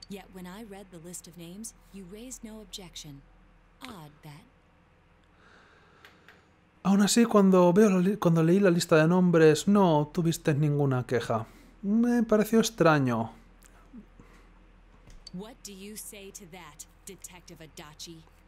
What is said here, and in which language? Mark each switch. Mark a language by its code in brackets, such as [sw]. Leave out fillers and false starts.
[en] Yet when I read the list of names, you raised no objection. Odd that. [es] Aún así, cuando leí la lista de nombres, no tuviste ninguna queja. Me pareció extraño. [en] What do you say to that, Detective Adachi?